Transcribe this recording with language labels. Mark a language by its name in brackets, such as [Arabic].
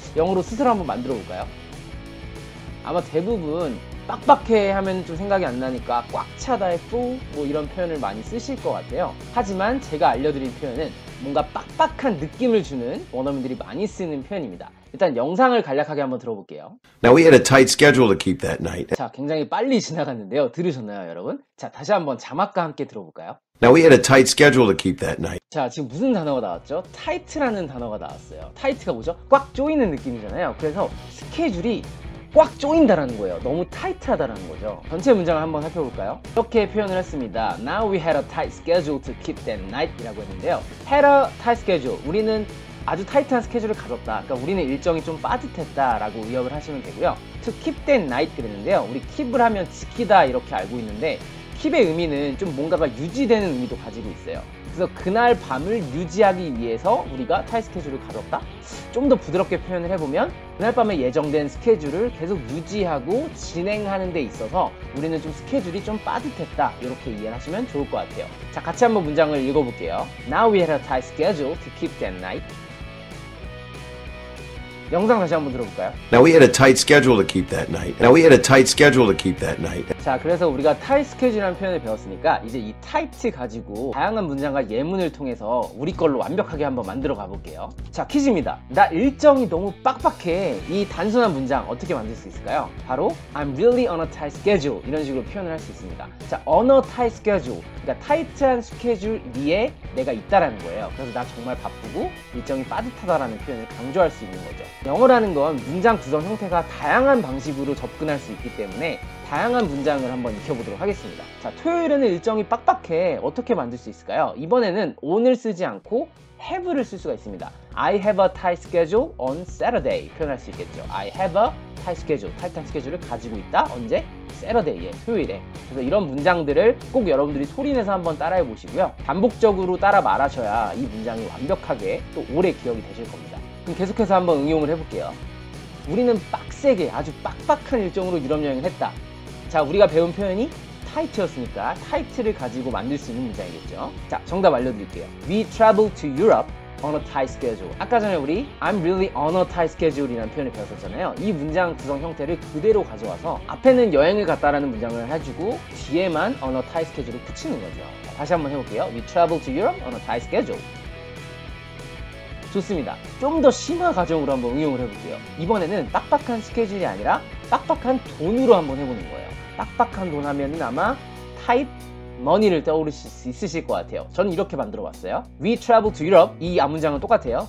[Korean] 영어로 스스로 한번 만들어 볼까요? 아마 대부분 빡빡해 하면 좀 생각이 안 나니까 꽉 차다의 full 뭐 이런 표현을 많이 쓰실 것 같아요. 하지만 제가 알려드린 표현은 뭔가 빡빡한 느낌을 주는 원어민들이 많이 쓰는 표현입니다. 일단 영상을 간략하게 한번 들어볼게요. [English] Now we had a tight schedule to keep that night. [Korean] 자, 굉장히 빨리 지나갔는데요. 들으셨나요, 여러분? 자, 다시 한번 자막과 함께 들어볼까요? [English] Now we had a tight schedule to keep that night. [Korean] 자, 지금 무슨 단어가 나왔죠? Tight라는 단어가 나왔어요. Tight가 뭐죠? 꽉 조이는 느낌이잖아요. 그래서 스케줄이 꽉 조인다라는 거예요. 너무 타이트하다라는 거죠. 전체 문장을 한번 살펴볼까요? 이렇게 표현을 했습니다. [English] Now we had a tight schedule to keep that night [Korean] 이라고 했는데요. [English] Had a tight schedule. [Korean] 우리는 아주 타이트한 스케줄을 가졌다. 그러니까 우리는 일정이 좀 빠듯했다 라고 의역을 하시면 되고요. [English] To keep that night [Korean] 그랬는데요. 우리 keep을 하면 지키다 이렇게 알고 있는데 keep의 의미는 좀 뭔가가 유지되는 의미도 가지고 있어요. 그래서 그날 밤을 유지하기 위해서 우리가 타이 스케줄을 가졌다? 좀 더 부드럽게 표현을 해보면 그날 밤에 예정된 스케줄을 계속 유지하고 진행하는 데 있어서 우리는 좀 스케줄이 좀 빠듯했다 이렇게 이해를 하시면 좋을 것 같아요. 자, 같이 한번 문장을 읽어볼게요. [English] Now we had a tight schedule to keep that night. [Korean] 영상 다시 한번 들어볼까요? [English] Now we had a tight schedule to keep that night. Now we had a tight schedule to keep that night. [Korean] 자, 그래서 우리가 tight schedule라는 표현을 배웠으니까 이제 이 tight 가지고 다양한 문장과 예문을 통해서 우리 걸로 완벽하게 한번 만들어 가볼게요. 자, 퀴즈입니다. 나 일정이 너무 빡빡해. 이 단순한 문장 어떻게 만들 수 있을까요? 바로 [English] I'm really on a tight schedule [Korean] 이런 식으로 표현을 할 수 있습니다. [English] 자, on a tight schedule. [Korean] 그러니까 tight한 스케줄 위에 내가 있다라는 거예요. 그래서 나 정말 바쁘고 일정이 빠듯하다라는 표현을 강조할 수 있는 거죠. 영어라는 건 문장 구성 형태가 다양한 방식으로 접근할 수 있기 때문에 다양한 문장을 한번 익혀보도록 하겠습니다. 자, 토요일에는 일정이 빡빡해. 어떻게 만들 수 있을까요? 이번에는 오늘 쓰지 않고 have를 쓸 수가 있습니다. [English] I have a tight schedule on Saturday [Korean] 표현할 수 있겠죠. [English] I have a tight schedule, [Korean] tight한 스케줄을 가지고 있다. 언제? Saturday에, 토요일에. 그래서 이런 문장들을 꼭 여러분들이 소리내서 한번 따라해 보시고요. 반복적으로 따라 말하셔야 이 문장이 완벽하게 또 오래 기억이 되실 겁니다. 그럼 계속해서 한번 응용을 해볼게요. 우리는 빡세게 아주 빡빡한 일정으로 유럽여행을 했다. 자, 우리가 배운 표현이 타이트였으니까 타이트를 가지고 만들 수 있는 문장이겠죠. 자, 정답 알려드릴게요. [English] We traveled to Europe on a tight schedule. [Korean] 아까 전에 우리 [English] I'm really on a tight schedule [Korean] 이라는 표현을 배웠었잖아요. 이 문장 구성 형태를 그대로 가져와서 앞에는 여행을 갔다라는 문장을 해주고 뒤에만 [English] on a tight schedule [Korean] 을 붙이는 거죠. 자, 다시 한번 해볼게요. [English] We traveled to Europe on a tight schedule. [Korean] 좋습니다. 좀 더 심화 과정으로 한번 응용을 해볼게요. 이번에는 빡빡한 스케줄이 아니라 빡빡한 돈으로 한번 해보는 거예요. 빡빡한 돈 하면은 아마 tight money를 떠올리실 수 있으실 것 같아요. 저는 이렇게 만들어봤어요. [English] We travel to Europe. [Korean] 이 앞문장은 똑같아요.